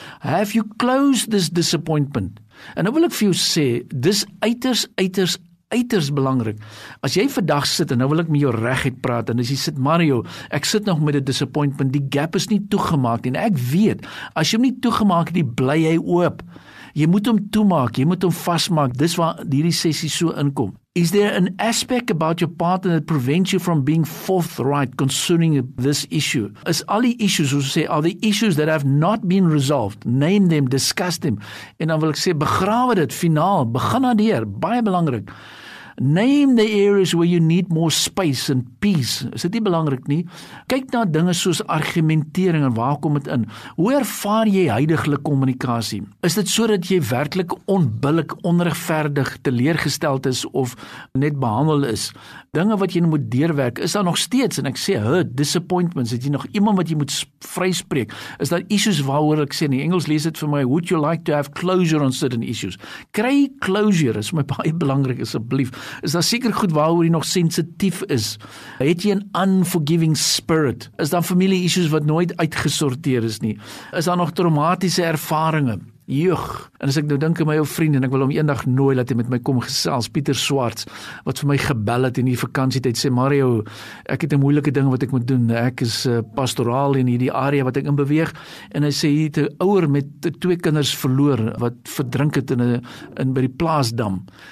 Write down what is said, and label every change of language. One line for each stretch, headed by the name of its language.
English: Have you closed this disappointment?
Afrikaans: En nou wil ek vir jou sê, dis uiters, uiters, uiters belangrik. As jy vandag sit, en nou wil ek met jou regheid praat, en as jy sit, Mario, ek sit nog met 'n disappointment, die gap is nie toegemaak nie. En ek weet, as jy hom nie toegemaak het, die bly hy oop. Jy moet hom toemaak, jy moet hom vasmaak, dis waar hierdie sessie so inkom.
English: Is there an aspect about your partner that prevents you from being forthright concerning this issue? Is all the issues, we say, are the issues that have not been resolved? Name them, discuss them.
Afrikaans: En dan wil ek sê, begrawe dit, finaal, begin aan deur, baie belangrik.
English: Name the areas where you need more space and peace.
Afrikaans: Is dit nie belangrik nie? Kyk na dinge soos argumentering en waar kom dit in. Hoe ervaar jy huidige kommunikasie? Is dit so dat jy werklik onbillik, onregverdig, teleergesteld is of net behandel is? Dinge wat jy moet deurwerk, is daar nog steeds, en ek sê, disappointments, het jy nog iemand wat jy moet vryspreek? Is daar issues waaroor ek sê, in die Engels lees dit vir my,
English: would you like to have closure on certain issues?
Afrikaans: Kry closure, is my baie belangrik, asseblief. Is daar seker goed waaroor jy nog sensitief is? Het jy 'n
English: unforgiving spirit?
Afrikaans: Is daar familie issues wat nooit uitgesorteer is nie? Is daar nog traumatiese ervaringe? Joeg, en as ek nou dink aan my ou vriend en ek wil hom eendag nooi dat hy met my kom gesels, Pieter Swarts, wat vir my gebel het in die vakansietyd, sê Mario, ek het 'n moeilike ding wat ek moet doen, ek is pastoraal in hierdie area wat ek in beweeg, en hy sê, hy het 'n ouer met 2 kinders verloor, wat verdrink het in by die plaasdam.